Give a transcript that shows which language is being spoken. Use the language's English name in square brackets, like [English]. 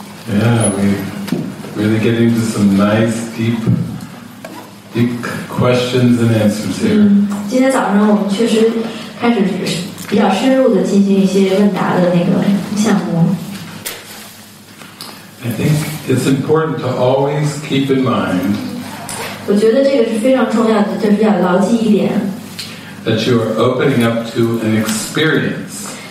[English] Yeah, we're really getting into some nice, deep questions and answers here. [Chinese] 今天早上我们确实开始比较深入地进行一些问答的那个项目。 [English] I think it's important to always keep in mind [Chinese] 我觉得这个是非常重要的，就是要牢记一点。 [English] That you are opening up to an experience.